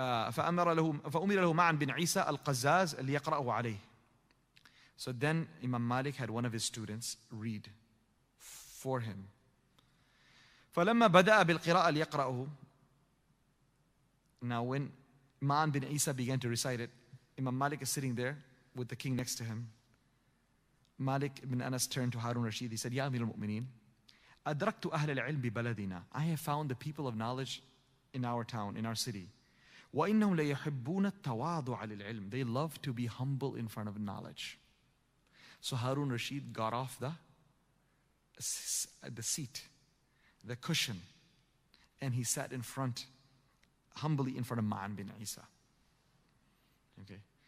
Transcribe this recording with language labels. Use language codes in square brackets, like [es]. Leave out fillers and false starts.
[ar] فأمر له معن بن عيسى القزاز ليقرأه عليه. [en] So then Imam Malik had one of his students read for him. [ar] فلما بدأ بالقراءة ليقرأه. [en] Now when معن بن عيسى began to recite it, Imam Malik is sitting there with the king next to him. Malik bin Anas turned to Harun Rashid. He said, [ar] يا أمير المؤمنين. أدركت أهل العلم ببلدنا. [en] I have found the people of knowledge in our town, in our city. [ar] وإنهم ليحبون التواضع للعلم. [en] They love to be humble in front of knowledge. So Harun Rashid got off the seat, the cushion, and he sat in front, humbly in front of Ma'an bin Isa. Okay.